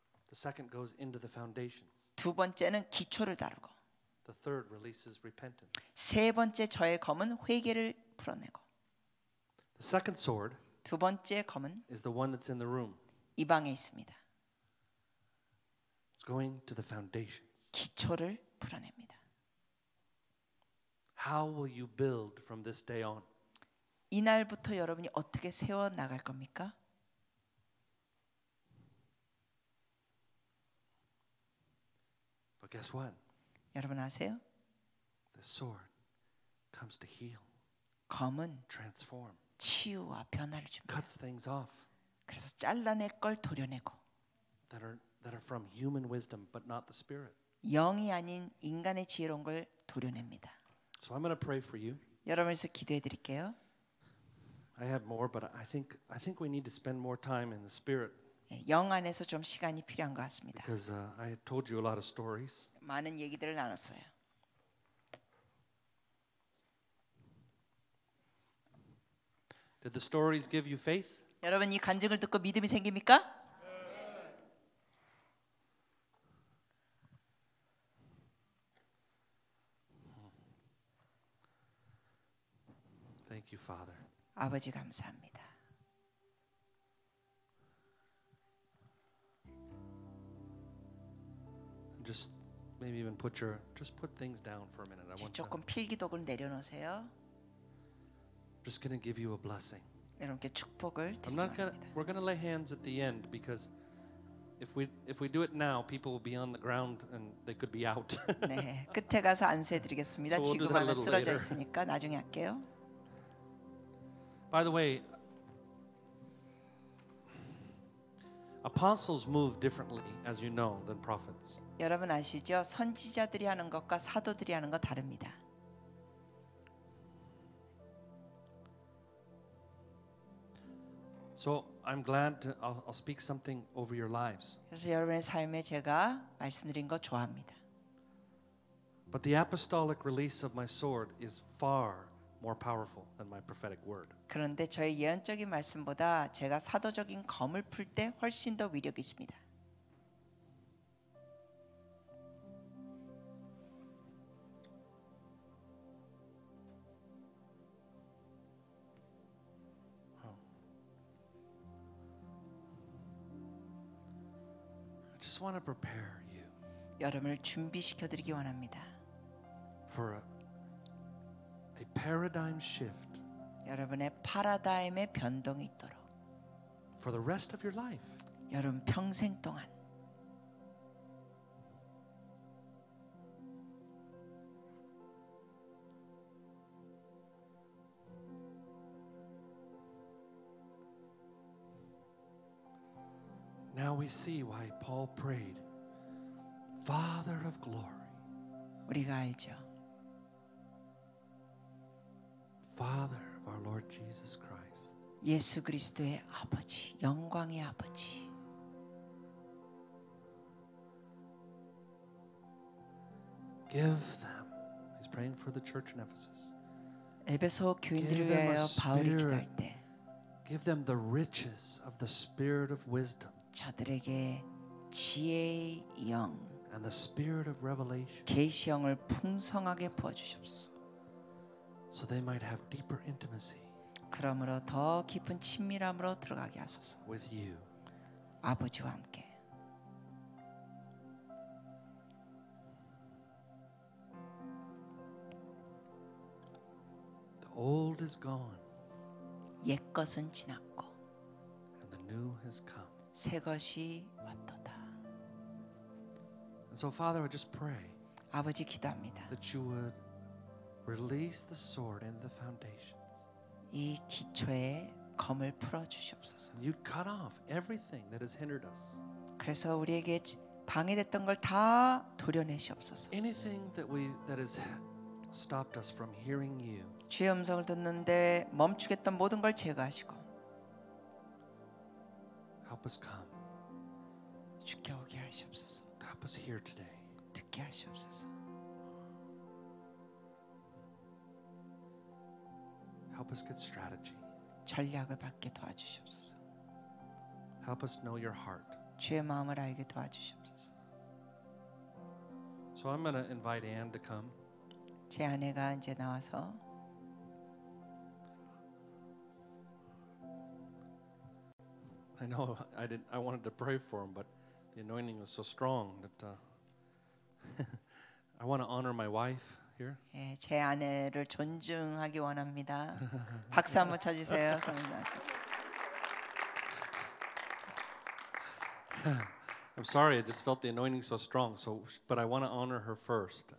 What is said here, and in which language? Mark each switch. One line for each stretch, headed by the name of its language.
English: The second goes into the foundations.
Korean: 두 번째는 기초를 다루고.
English: The third releases repentance.
Korean: 세 번째 저의 검은 회개를 풀어내고.
English: The second sword.
Korean: 두 번째 검은
English: is the one that's in the room.
Korean: 이 방에 있습니다.
English: Going to the foundations.
Korean: 기초를 풀어냅니다.
English: How will you build from this day on?
Korean: 이날부터 여러분이 어떻게 세워 나갈 겁니까?
English: But guess what?
Korean: 여러분 아세요?
English: The sword comes to heal.
Korean: 검은
English: transform.
Korean: 치유와 변화를 줍니다.
English: Cuts things off.
Korean: 그래서 잘라낼 걸 도려내고.
English: That are from human wisdom, but not the spirit.
Korean: 영이 아닌 인간의 지혜로운 걸 도려냅니다.
English: So I'm going to pray for you.
Korean: 여러분께서 기도해 드릴게요.
English: I have more, but I think we need to spend more time in the spirit.
Korean: 영 안에서 좀 시간이 필요한 것 같습니다.
English: Because I told you a lot of stories.
Korean: 많은 얘기들을 나눴어요.
English: Did the stories give you faith?
Korean: 여러분 이 간증을 듣고 믿음이 생깁니까?
English: Thank you, Father.
Korean: 아버지 감사합니다.
English: Just maybe even put things down for a minute. I want
Korean: 조금 필기독을 내려놓으세요.
English: Just gonna give you a blessing.
Korean: 여러분께 축복을 드리겠습니다.
English: We're gonna lay hands at the end because if we do it now, people will be on the ground and they could be out.
Korean: 네, 끝에 가서 안수해드리겠습니다. 지금 안에 쓰러져 있으니까 나중에 할게요.
English: By the way, apostles move differently, as you know, than prophets.
Korean: 여러분 아시죠? 선지자들이 하는 것과 사도들이 하는 거 다릅니다.
English: So I'm glad to I'll speak something over your lives.
Korean: 그래서 여러분의 삶에 제가 말씀드린 거 좋아합니다.
English: But the apostolic release of my sword is far more powerful than my prophetic word.
Korean: 그런데 저의 예언적인 말씀보다 제가 사도적인 검을 풀 때 훨씬 더 위력 있습니다.
English: I just want to prepare you.
Korean: 여러분을 준비시켜 드리기 원합니다.
English: For a paradigm shift.
Korean: 여러분의 패러다임의 변동이 있도록.
English: For the rest of your life.
Korean: 여러분 평생 동안.
English: Now we see why Paul prayed, Father of glory.
Korean: 우리가 알죠.
English: Father of our Lord Jesus Christ.
Korean: 예수 그리스도의 아버지, 영광의 아버지.
English: Give them. He's praying for the church in Ephesus.
Korean: 에베소 교인들을 위하여 바울이 기도할 때.
English: Give them the riches of the Spirit of wisdom.
Korean: 저들에게 지혜의 영
English: and the spirit of revelation
Korean: 계시 영을 풍성하게 부어 주십시오.
English: So they might have deeper intimacy.
Korean: 그러므로 더 깊은 친밀함으로 들어가게 하소서.
English: With you.
Korean: 아버지와 함께.
English: The old is gone.
Korean: 옛 것은 지났고.
English: And the new has come.
Korean: 새 것이 왔도다.
English: And so, Father, I just pray.
Korean: 아버지 기도합니다.
English: That you would release the sword into the foundations.
Korean: 이 기초에 검을 풀어 주시옵소서.
English: You'd cut off everything that has hindered us.
Korean: 그래서 우리에게 방해됐던 걸 다 도려내시옵소서.
English: Anything that we that has stopped us from hearing you.
Korean: 주의 음성을 듣는데 멈추겠던 모든 걸 제거하시고.
English: Help us come.
Korean: 주께 오게 하시옵소서.
English: Help us here today.
Korean: 듣게 하시옵소서.
English: Help us get strategy.
Korean: 전략을 받게 도와주시옵소서.
English: Help us know your heart.
Korean: 주의 마음을 알게 도와주시옵소서.
English: So I'm going to invite Anne to come.
Korean: 제 아내가 이제 나와서.
English: I know I didn't. I wanted to pray for him, but the anointing was so strong that I want to honor my wife here.
Korean: 예, 제 아내를 존중하기 원합니다. 박수 한번 쳐주세요, 선생님.
English: I'm sorry. I just felt the anointing so strong. So, but I want to honor her first.